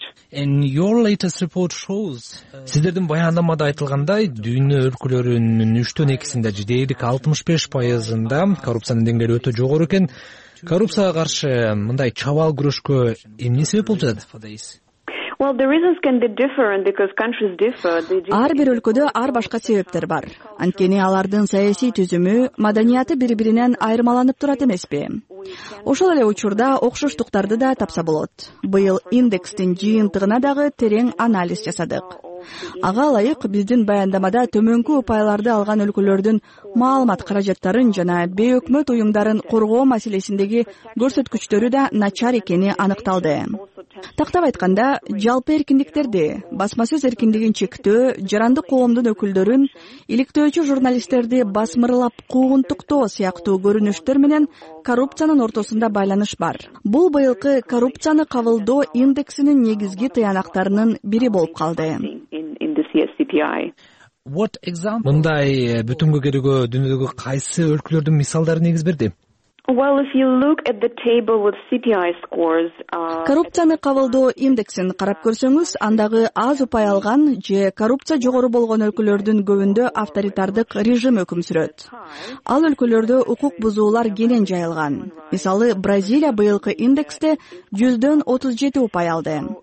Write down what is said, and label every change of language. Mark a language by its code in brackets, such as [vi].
[en] In your latest report shows, [ky] сиздердин баяндамада айтылгандай, дүйнө өлкөлөрүнүн 3-төн 2-синде, дейлик 65%-ында коррупциянын деңгээли өтө жогору экен. Коррупцияга каршы мындай чабал күрөшкө эмне себеп болуп жатат? [en] Well, the reasons can be different because countries differ. [ky] Ар бир өлкөдө ар башка себептер бар. Анткени алардын саясий түзүмү, маданияты бири-биринен айырмаланып турат эмеспи? Ошол эле учурда окшоштуктарды да тапса болот. Быйыл индекстин жыйынтыгына дагы терең анализ жасадык. Ага ылайык, биздин баяндамада төмөнкү упайларды алган өлкөлөрдүн маалымат каражаттарын жана бейөкмөт уюмдарын коргоо маселесиндеги көрсөткүчтөрү да начар экени аныкталды. Тактап айтканда, жалпы эркиндиктерди, басма сөз эркиндигин чектөө, жарандык коомдун өкүлдөрүн, иликтөөчү журналисттерди басмырлап куугунтуктоо сыяктуу көрүнүштөр менен коррупциянын ортосунда байланыш бар. Бул быйылкы коррупцияны кабылдоо индексинин негизги тыянактарынын бири болуп калды. Мындай бүтүнгө керүүгө дүйнөдөгү кайсы өлкөлөрдүн мисалдары негиз берди? [en] Well, if you look at the table with CPI scores, [ky] коррупцияны кабылдоо индексин карап көрсөңүз, андагы аз упай алган же коррупция жогору болгон өлкөлөрдүн көбүндө авторитардык режим өкүм сүрөт. Ал өлкөлөрдө укук бузуулар кенен жайылган. Мисалы, Бразилия быйылкы индексте 137 упай алды.